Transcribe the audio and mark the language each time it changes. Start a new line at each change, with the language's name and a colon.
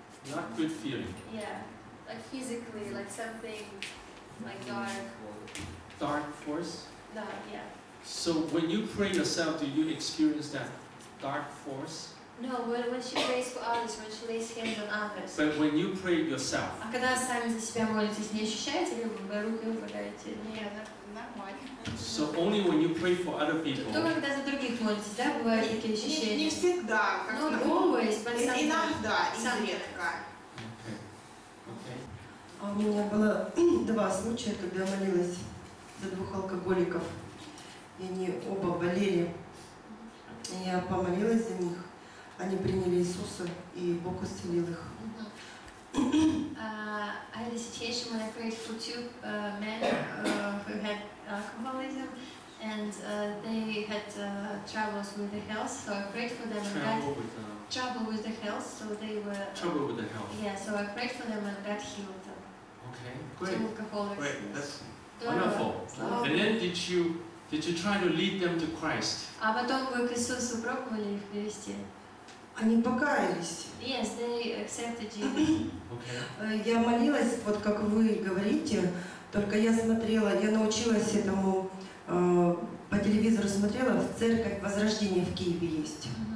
English: Not good feeling? Yeah, like physically, like something like dark. Dark force? Dark, yeah. So when you pray yourself, do you experience that dark force? No, when she prays for others, when she lays hands on others. But when you pray yourself.
Russian: А когда сами за себя молитесь, не ощущаете ли вы руки упадаете? Нормально.
English: So only when you pray for other people.
Russian: То когда за других молитесь, да, бывают такие ощущения? Не всегда. Но
English: always, but sometimes.
Russian: Иногда, изредка.
English: Okay.
Russian: А у меня было два случая, когда молилась за двух алкоголиков, и они оба болели. Я помолилась за них. Они приняли Иисуса, и Бог исцелил их.
English: I had a situation when I prayed for two men who had alcoholism, and they had troubles with the health, so I prayed for them. Trouble with the health. Yeah, so I prayed for them and got healed. Okay, great. Two alcoholics. That's wonderful. And then did you try to lead them to Christ?
Russian: А потом вы к Иисусу пробовали их привести? Они покаялись.
English: Yes, they accepted Jesus. Okay.
Russian: Я молилась, вот как вы говорите, только я смотрела, я научилась этому, по телевизору смотрела, в церковь Возрождения в Киеве есть.